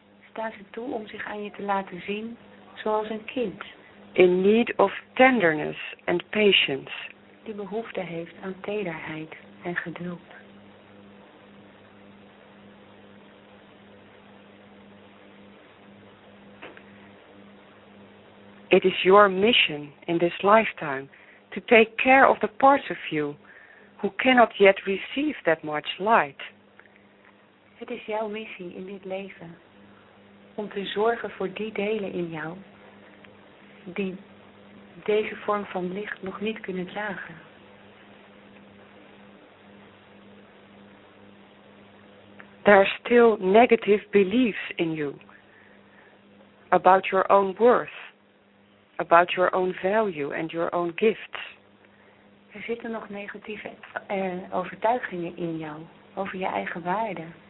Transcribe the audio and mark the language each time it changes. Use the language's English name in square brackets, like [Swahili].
[Dutch] Sta ze toe om zich aan je te laten zien zoals een kind. [English] In need of tenderness and patience. [Dutch] Die behoefte heeft aan tederheid en geduld. [English] It is your mission in this lifetime to take care of the parts of you who cannot yet receive that much light. [Dutch] Het is jouw missie in dit leven om te zorgen voor die delen in jou die deze vorm van licht nog niet kunnen dragen. [English] There are still negative beliefs in you about your own worth. About your own value and your own gifts. [Dutch] Er zitten nog negatieve overtuigingen in jou over je eigen waarde.